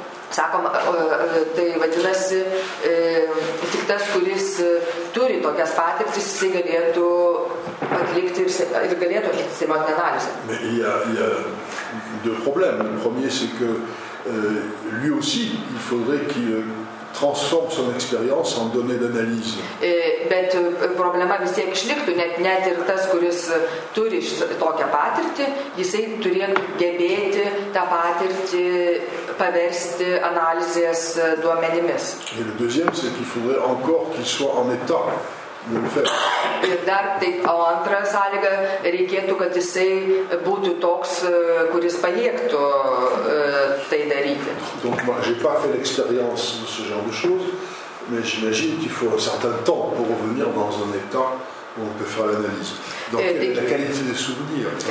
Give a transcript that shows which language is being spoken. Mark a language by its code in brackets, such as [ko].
[lt] Sakoma, tai vadinasi, tik tas, kuris turi tokias patirtis, jisai galėtų atlikti ir galėtų atlikti semiotinę analizę. [fr] Mais il y a deux problèmes. Le premier, c'est que lui aussi, il faudrait qu'il transforme son expérience en données d'analyse. [lt] Bet problema vis tiek išliktų, net ir tas, kuris turi tokią patirtį, jisai turėtų gebėti tą patirtį paversti analizės duomenimis. [fr] Et le deuxième, c'est qu'il faudrait encore qu'il soit en état de le faire. [lt] Ir dar tai antra sąlyga, reikėtų, kad jisai būtų toks, kuris pajėgtų tai daryti. [fr] Donc moi, j'ai pas fait l'expérience de ce genre de choses, mais j'imagine qu'il faut un certain temps pour revenir dans un état où on peut faire l'analyse. Donc la qualité des souvenirs,